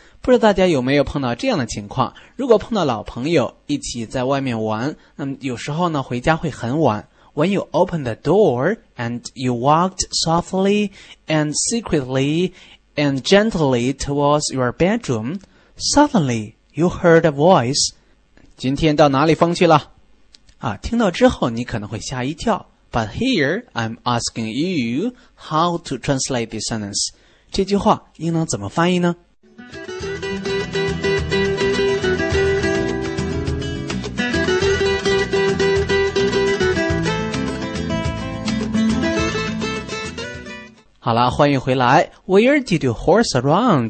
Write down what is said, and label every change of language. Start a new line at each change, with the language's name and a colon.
Chinese: 不知道大家有没有碰到这样的情况？如果碰到老朋友一起在外面玩，那么有时候呢回家会很晚。
English: When you open the door and you walked softly and secretly and gently towards your bedroom, suddenly you heard a voice.
Chinese: 今天到哪里疯去了？啊，听到之后你可能会吓一跳。
English: But here, I'm asking you how to translate this sentence.
Chinese: 这句话应当怎么翻译呢？好了，欢迎回来。
English: Where did you horse around?